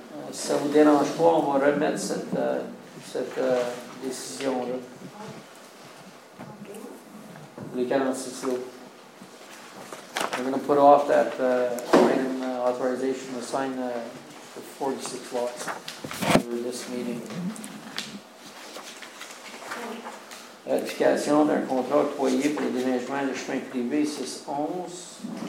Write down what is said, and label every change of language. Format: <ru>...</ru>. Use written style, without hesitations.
<fr>Ça vous dérange pas, on va remettre cette décision-là. Les 46 lots.</fr> <en>We're going to put off that item authorization to sign the 46 lots for this meeting.</en> <fr>Ratification d'un contrat octroyé pour le déneigement de chemin privé 611.</fr>